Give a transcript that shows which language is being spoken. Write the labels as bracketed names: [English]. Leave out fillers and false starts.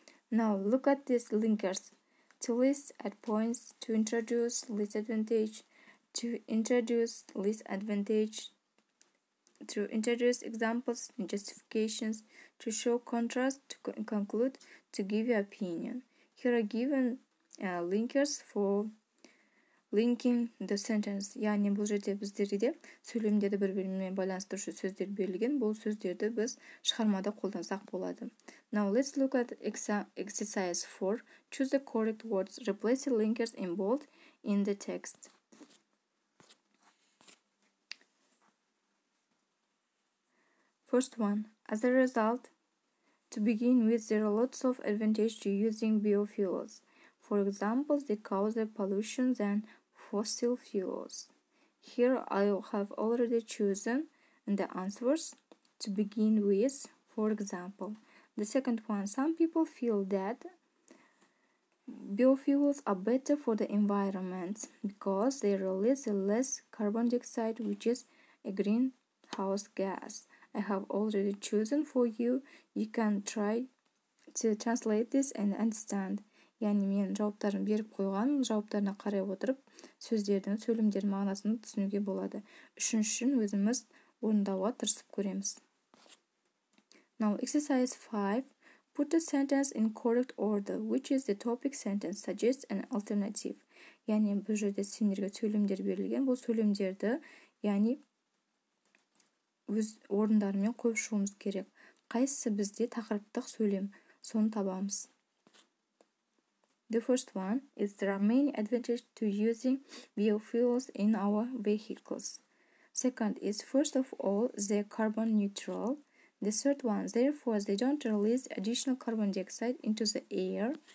[English] Now look at these linkers. To list at points, to introduce list advantage, to introduce list advantage, to introduce examples and justifications, to show contrast, to conclude, to give your opinion. Here are given linkers for linking the sentence. [Kazakh] Яғни бұл жерде біздерде сөйлемдерді бір-бірімен байланыстырушы сөздер берілген. Бұл сөздерді біз шығармада қолдансақ болады. [English] Now let's look at exercise 4. Choose the correct words. Replace the linkers in bold in the text. First one, as a result, to begin with, there are lots of advantages to using biofuels. For example, they cause the pollution than fossil fuels. Here I have already chosen the answers to begin with, for example. The second one, some people feel that biofuels are better for the environment because they release less carbon dioxide, which is a greenhouse gas. I have already chosen for you. You can try to translate this and understand. [Kazakh] Яғни мен жауаптарын беріп қойған, жауаптарына қарай отырып, сөздердің, сөйлемдердің мағынасын түсінуге болады. Үшіншісін өзіміз орындауға тырысып көреміз. [English] Now, exercise 5. Put the sentence in correct order. Which is the topic sentence? Suggest an alternative. [Kazakh] Яғни бұл жерде сендерге сөйлемдер берілген. Бұл сөйлемдерді, яғни өз орындарымен қойып шығуымыз керек. Қайсысы бізде тақырыптық сөйлем? Соны табамыз. [English] The first one is there are many advantages to using biofuels in our vehicles. Second is, first of all, they're carbon neutral. The third one, therefore, they don't release additional carbon dioxide into the air.